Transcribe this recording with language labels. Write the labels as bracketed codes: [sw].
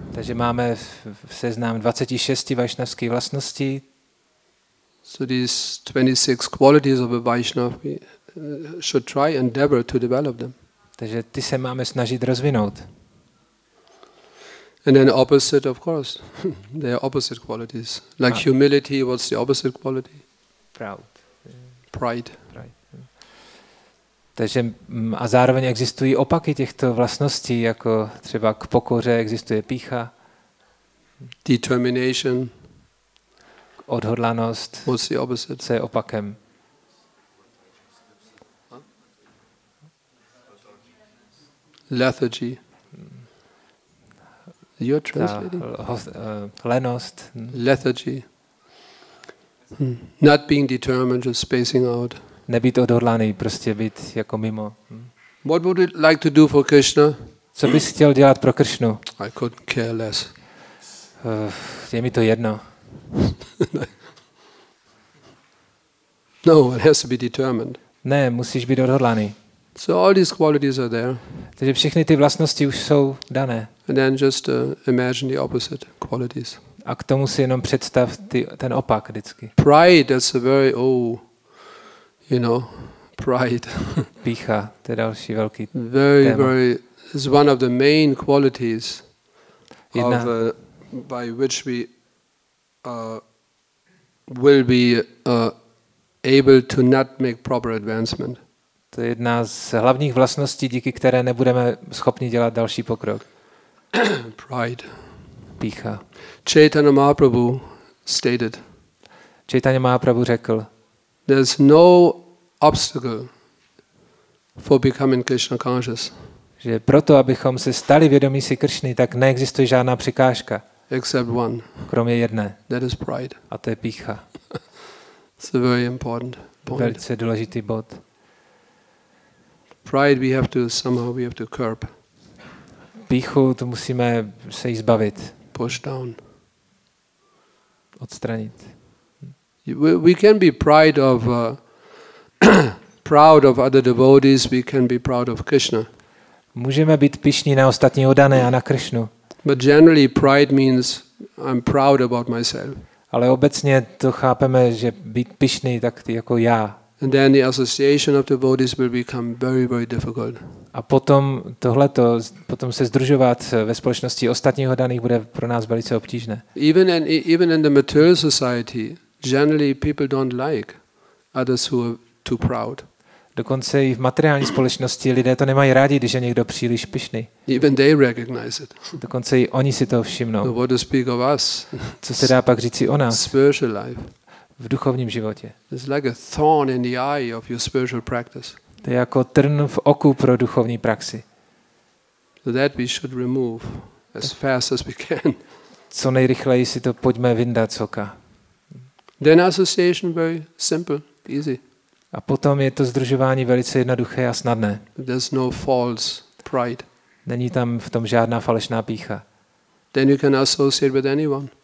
[cs] Takže máme v seznam 26 vaishnavských vlastností. [en] So these 26 qualities of a Vaishnav we should try and endeavor to develop them. [cs] Takže ty se máme snažit rozvinout. [en] And then opposite, of course, they are opposite qualities. Like humility, what's the opposite quality? Proud. Pride. [cs] Takže a zároveň existují opaky těchto vlastností, jako třeba k pokoře existuje pýcha. [en] Determination. [cs] Odhodlanost. [en] What's the opposite? [cs] Co je opakem? [en] Lethargy. You're translating. [cs] Lenost. [en] Lethargy. Not being determined, just spacing out. [cs] Nebýt odhodlaný, prostě být jako mimo. [en] What would you like to do for Krishna? [cs] Co bys chtěl dělat pro Krishnu? [en] I couldn't care less. [cs] Je mi to jedno. [en] No, it has to be determined. [cs] Ne, musíš být odhodlaný. [en] So all these qualities are there. [cs] Takže všechny ty vlastnosti už jsou dané. [en] And then just imagine the opposite qualities. [cs] A k tomu si jenom představ ten opak vždycky. [en] Pride, that's a very, oh, you know, Pride. [cs] Pícha, to je další velký téma. [en] Very is one of the main qualities of by which we will be able to not make proper advancement. [cs] To je jedna z hlavních vlastností, díky které nebudeme schopni dělat další pokrok. [en] Pride. [cs] Pícha. [en] Chaitanya Mahaprabhu stated. [cs] Chaitanya Mahaprabhu řekl. [en] There's no obstacle for becoming Krishna conscious. [cs] Že proto, abychom se stali vědomí si Kršny, tak neexistuje žádná překážka. [en] Except one. [cs] Kromě jedné. [en] That is pride. [cs] A to je pícha. [en] It's a very important point. [cs] Velice důležitý bod. [en] Pride we have to somehow we have to curb. [cs] Píchu to musíme se jí zbavit. [en] Push down. [cs] Odstranit. [en] We can be pride of proud of other devotees, we can be proud of Krishna. [cs] Můžeme být pyšní na ostatní oddané a na Krishnu. [en] But generally pride means I'm proud about myself. [cs] Ale obecně to chápeme, že být pyšný tak jako já. [en] And then the association of devotees will become very, very difficult. [cs] A potom tohleto, potom se združovat ve společnosti ostatních oddaných bude pro nás velice obtížné. [en] Even in the material society, generally people don't like others who are too proud. [cs] Dokonce i v materiální společnosti lidé to nemají rádi, když je někdo příliš pyšný. [en] Even they recognize it. [cs] Dokonce i oni si to všimnou. [en] So what to speak of us? [cs] Co se dá pak říci o nás? [en] Spiritual life. [cs] V duchovním životě. [en] It's like a thorn in the eye of your spiritual practice. [cs] To je jako trn v oku pro duchovní praxi. [en] So that we should remove as fast as we can. [cs] Co nejrychleji si to pojďme vyndat z oka. [en] Then association very simple, easy. [cs] A potom je to združování velice jednoduché a snadné. [en] There's no false pride. [cs] Není tam v tom žádná falešná pýcha. [en] Then you can associate with anyone.